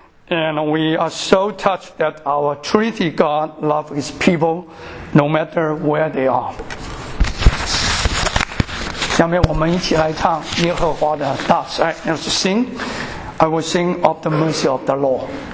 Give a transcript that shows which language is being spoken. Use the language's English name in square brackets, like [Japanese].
[English] And we are so touched that our Trinity God loves His people no matter where they are. [Chinese] 下面我们一起来唱耶和华的大慈爱。 [English] Let's sing. I will sing of the mercy of the Lord.